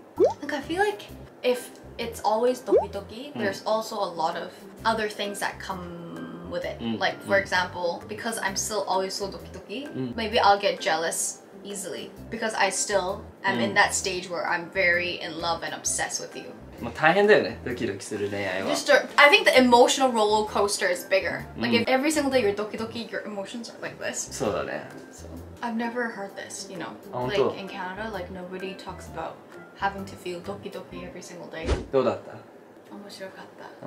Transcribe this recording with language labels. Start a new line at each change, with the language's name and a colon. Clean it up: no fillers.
English: なんか I feel like if it's always ドキドキ、there's also a lot of other things that come with it. Like for example, because I'm still always so ドキドキ、maybe I'll get jealous easily because I still am in that stage where I'm very in love and obsessed with you.
Japanese: まあ大変だよね、ドキドキする恋愛は。
English: Just I think the emotional roller coaster is bigger. Like if every single day you're ドキドキ, your emotions are like this.
Japanese: そうだね。
English: So I've never heard this, you know.
Japanese: あ、本当?
English: Like in Canada, like nobody talks about having to feel ドキドキ every single day.
Japanese: どうだった? 面白かった。